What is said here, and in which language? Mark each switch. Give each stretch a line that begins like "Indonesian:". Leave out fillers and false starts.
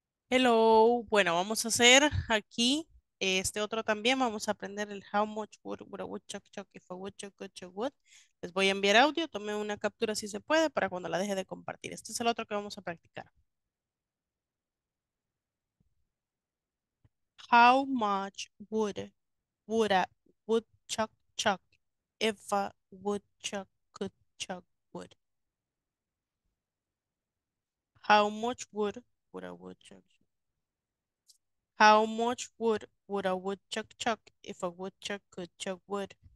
Spanish: Hello, bueno, vamos a hacer aquí este otro también. Vamos a aprender el
English: how much would, would.
Spanish: Les voy a enviar audio, tome una captura si se puede para cuando la deje de compartir. Este es el otro que vamos a practicar.
English: How much would a woodchuck if a woodchuck could chuck wood? How much would a woodchuck? How much wood would a woodchuck chuck if a woodchuck could chuck wood?